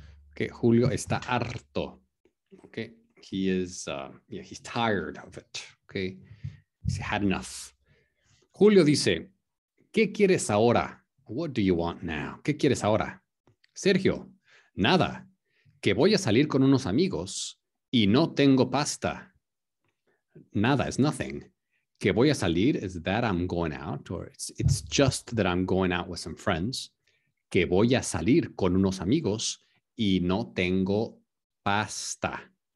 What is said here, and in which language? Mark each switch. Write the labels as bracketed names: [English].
[English] Okay, [Spanish] Julio está harto. [English] Okay, he is, he's tired of it. Okay, he's had enough. [Spanish] Julio dice, ¿qué quieres ahora? [English] What do you want now? [Spanish] ¿Qué quieres ahora? Sergio, nada, que voy a salir con unos amigos y no tengo pasta. Nada [English] is nothing. [Spanish] Que voy a salir [English] is that I'm going out, or it's just that I'm going out with some friends. [Spanish] Que voy a salir con unos amigos y no tengo pasta.